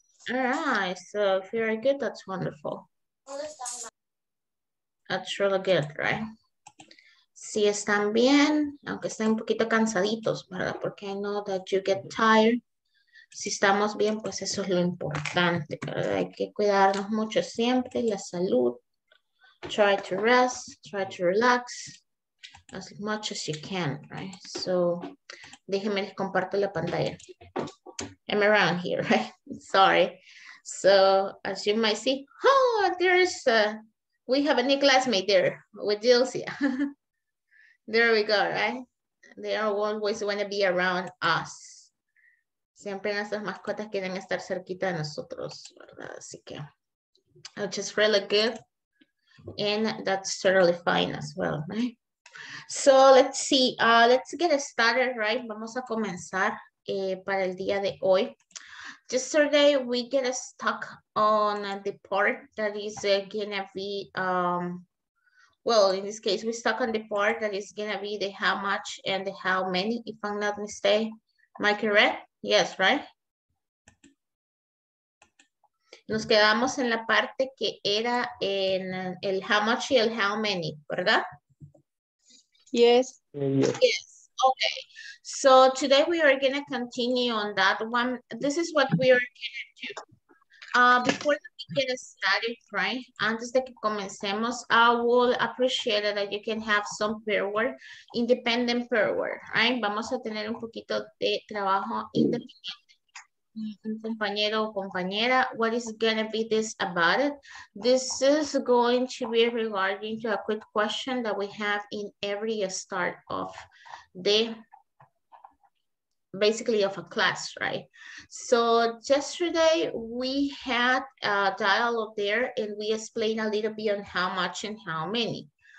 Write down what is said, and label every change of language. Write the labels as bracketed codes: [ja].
[en] All right. So, if you're good, that's wonderful. That's really good, right? [es] Si están bien, aunque estén un poquito cansaditos, ¿verdad? Porque [en] I know that you get tired. [es] Si estamos bien, pues eso es lo importante, ¿verdad? Hay que cuidarnos mucho siempre, la salud. [en] Try to rest, try to relax as much as you can, right? So, [es] déjenme les comparto la pantalla. [en] I'm around here, right? Sorry. So, as you might see, oh, there's a... We have a new classmate there with Dilcia. There we go, right? They are always want to be around us. [es] Siempre nuestras mascotas quieren estar cerquita de nosotros, ¿verdad? Así que, [en] which is really good. And that's totally fine as well, right? So let's see, let's get started, right? [es] Vamos a comenzar para el día de hoy. [en] Yesterday, we get stuck on the part that is gonna be, well, in this case, we stuck on the part that is gonna be the how much and the how many, if I'm not mistaken. Am I correct? Yes, right? [es] Nos quedamos en la parte que era en el [en] how much [es] y el [en] how many, [es] ¿verdad? [en] Yes. Yes. Okay. So today we are going to continue on that one. This is what we are going to do. Before we get started, right? [es] Antes de que comencemos, [en] I would appreciate it that you can have some pair work, independent pair work, right? [es] Vamos a tener un poquito de trabajo independiente. Un compañero o compañera, [en] what is going to be this about it? This is going to be regarding to a quick question that we have in every start of the basically of a class, right? So yesterday we had a dialogue there and we explained a little bit on how much and how many.